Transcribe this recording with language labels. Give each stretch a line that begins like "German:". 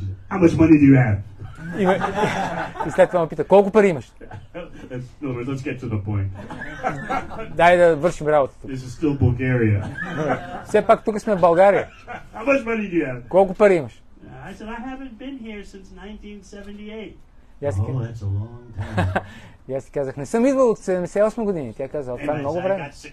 English: How much money do you have?
Bulgarian: И след това ме пита, колко пари имаш?
English: Let's get to the point.
Bulgarian: Дай да вършим работа тук.
English: This is still Bulgaria.
Bulgarian: Все пак тук сме в България.
English: How much money do you have?
Bulgarian: Колко пари имаш?
English: I said, I haven't been here since 1978. Oh, that's a long time.
Bulgarian: И аз си казах, не съм идвал от 78 години. Тя каза, това е много време.